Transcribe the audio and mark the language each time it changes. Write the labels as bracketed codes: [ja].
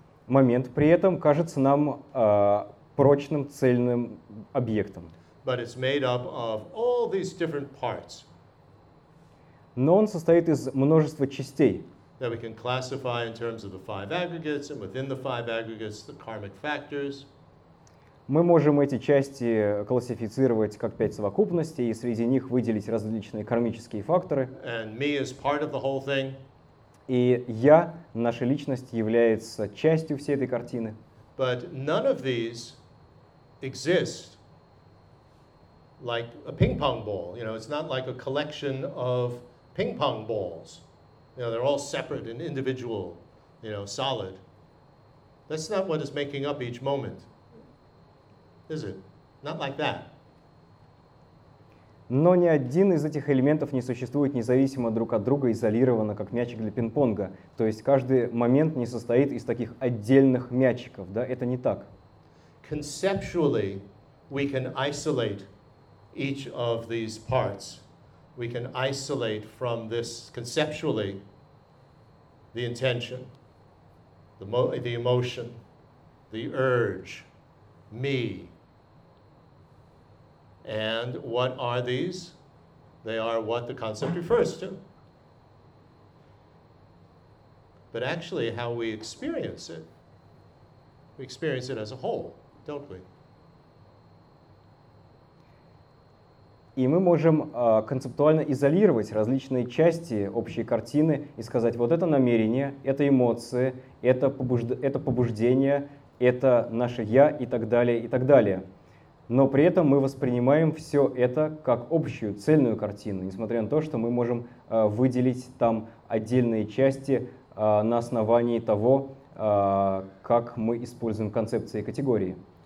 [ru] Момент при этом кажется нам прочным, цельным объектом. [en] But it's made up of all these different parts. [ru] Но он состоит из множества частей. [en] that we can classify in terms of the five aggregates, and within the five aggregates, the karmic factors. [ru] Мы можем эти части классифицировать как пять совокупностей и среди них выделить различные кармические факторы. [en] And me is part of the whole thing. [ru] И я, наша личность, является частью всей этой картины. [en] But none of these exist like a ping-pong ball. You know, it's not like a collection of ping-pong balls. You know, they're all separate and individual, you know, solid. That's not what is making up each moment. Is it? Not like that. [ru] Но ни один из этих элементов не существует независимо друг от друга, изолированно, как мячик для пинг-понга. То есть каждый момент не состоит из таких отдельных мячиков, да? Это не так. [en] Conceptually, we can isolate each of these parts. We can isolate from this conceptually the intention, the emotion, the urge, me. And what are these? They are what the concept refers to. But actually, how we experience it as a whole, don't we? [ru] И мы можем концептуально изолировать различные части общей картины и сказать, вот это намерение, это эмоции, это побуждение, это наше «я» и так далее, и так далее. Но при этом мы воспринимаем все это как общую, цельную картину, несмотря на то, что мы можем выделить там отдельные части на основании того, как мы используем концепции и категории.